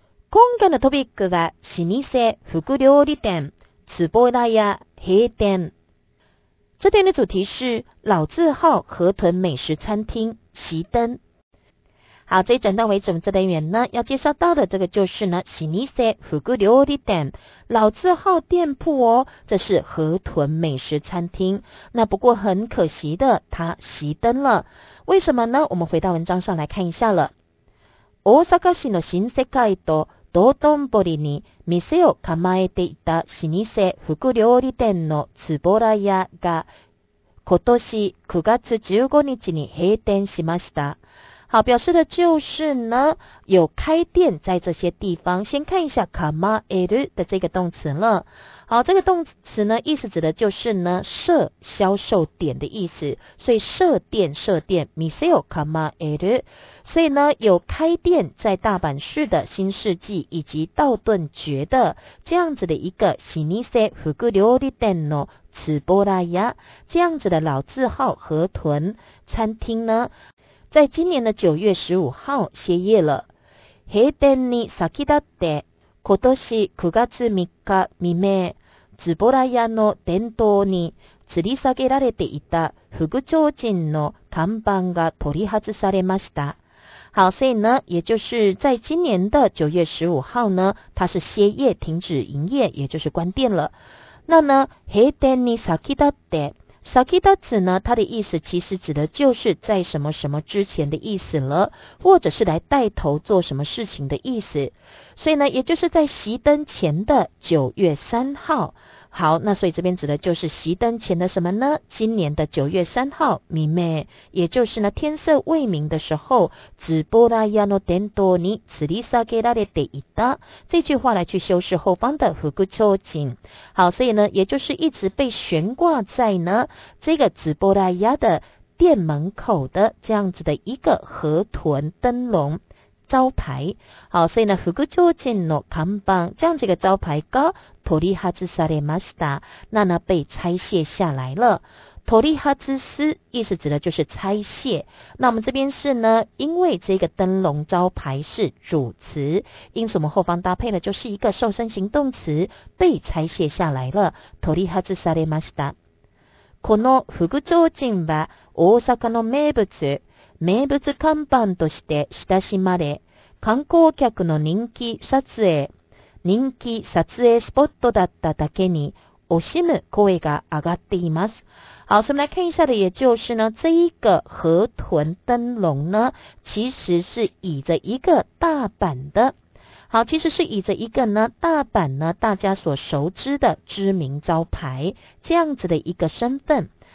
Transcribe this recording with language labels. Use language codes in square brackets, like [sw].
[ja] 今回のトピックは、老舗福料理店、つぼだや閉店。 [zh] 这店的主题是老字号河豚美食餐厅熄灯。好，这一整段为止，我们这单元呢要介绍到的这个就是呢，老字号福料理店，老字号店铺哦，这是河豚美食餐厅。那不过很可惜的，它熄灯了。为什么呢？我们回到文章上来看一下了。 [ja] 大阪市の新世界と道頓堀に店を構えていた老舗福料理店のつぼら屋が今年9月15日に閉店しました。 [zh] 好，表示的就是呢，有开店在这些地方。先看一下構える的这个动词了。好，这个动词呢，意思指的就是呢，设销售点的意思。所以设店， [ja] 店を構える。 [zh] 所以呢，有开店在大阪市的新世纪以及道顿崛的这样子的一个 [ja] 老舗福料理店のつぼら屋， [zh] 这样子的老字号河豚餐厅呢。在今年的9月15号歇业了。 [ja] 閉店に先立って、今年9月3日未明、つぼら屋の店頭に吊り下げられていた福提灯の看板が取り外されました。 [zh] 好，所以呢，也就是在今年的9月15号呢，它是歇业、停止营业，也就是关店了。那呢， [ja] 閉店に先立って、 [zh] 先立つ呢，它的意思其实指的就是在什么什么之前的意思了，或者是来带头做什么事情的意思。所以呢，也就是在熄灯前的9月3号。好，那所以这边指的就是熄灯前的什么呢？今年的9月3号未明，也就是呢天色未明的时候， [ja] つぼら屋の店頭に吊り下げられていた， [zh] 这句话来去修饰后方的福提灯。好，所以呢也就是一直被悬挂在呢这个つぼら屋的店门口的这样子的一个河豚灯笼招牌。好，所以呢 [ja] 福提灯の看板 [zh] 这样子一个招牌 [ja] が取り外されました。 [zh] 那呢被拆卸下来了。 [ja] 取り外す [zh] 意思指的就是拆卸。那我们这边是呢，因为这个灯笼招牌是主词，因此我们后方搭配的就是一个瘦身型动词，被拆卸下来了。 [ja] 取り外されました。この福提灯は大阪の名物看板として親しまれ、観光客の人気撮影スポットだっただけに惜しむ声が上がっています。 [zh] 好，我们来看一下的，也就是呢，这一个河豚灯笼呢，其实是倚着一个大阪的。好，其实是以着一个呢大阪呢大家所熟知的知名招牌这样子的一个身份。